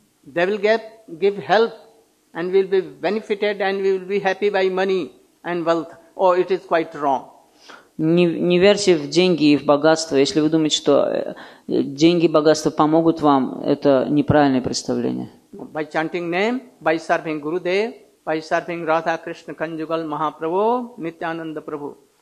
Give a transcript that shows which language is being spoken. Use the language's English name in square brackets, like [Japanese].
[English] They will give help and will be benefited and we will be happy by money and wealth. Oh, it is quite wrong. [Russian] Не верьте в деньги и в богатство. Если вы думаете, что деньги и богатство помогут вам, это неправильное представление. [English] By chanting name, by serving Gurudev, by serving Radha Krishna Kanjugal Mahaprabhu, Nityananda Prabhu.